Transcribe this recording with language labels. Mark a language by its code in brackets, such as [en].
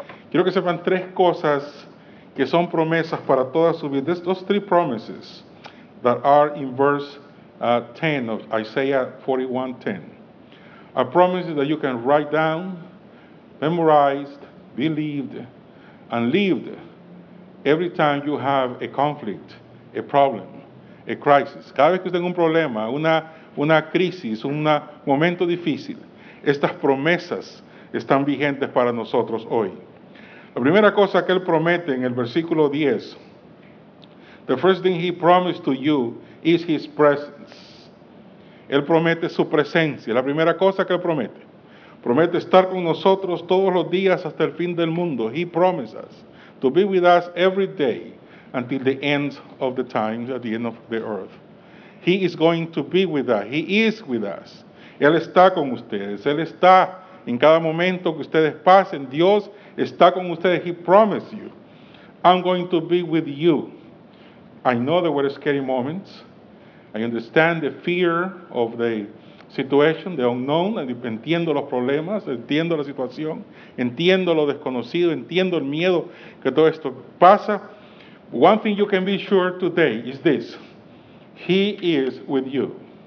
[es] Quiero que sepan tres cosas que son promesas para toda su vida. [en] Those three promises that are in verse 10 of Isaiah 41:10. A promise that you can write down, memorize, believe, and live every time you have a conflict, a problem, a crisis. [es] Cada vez que usted tenga un problema, una crisis, un momento difícil, estas promesas están vigentes para nosotros hoy. La primera cosa que él promete en el versículo 10, [en] the first thing he promised to you is his presence. [es] Él promete su presencia, la primera cosa que él promete. Promete estar con nosotros todos los días hasta el fin del mundo. [en] He promises to be with us every day until the end of the times, at the end of the earth. He is going to be with us. He is with us. [es] Él está con ustedes. Él está en cada momento que ustedes pasen. Dios está con ustedes. [en] He promised you, I'm going to be with you. I know there were scary moments. I understand the fear of the situation, the unknown. [es] Entiendo los problemas, entiendo la situación, entiendo lo desconocido, entiendo el miedo que todo esto pasa. [en] One thing you can be sure today is this: he is with you.